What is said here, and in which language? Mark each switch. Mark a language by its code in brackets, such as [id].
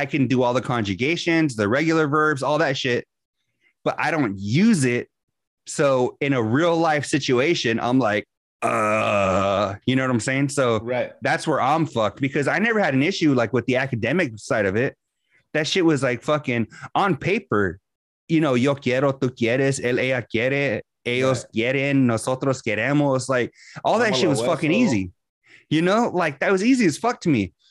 [en] I can do all the conjugations, the regular verbs, all that shit, but I don't use it. So in a real life situation, I'm like, you know what I'm saying? So that's where I'm fucked, because I never had an issue like with the academic side of it. That shit was like fucking on paper. You know, [es] yo quiero, tú quieres, él, ella quiere, ellos quieren, nosotros queremos. [en] Like, all that shit was fucking easy. You know, like, that was easy as fuck to me.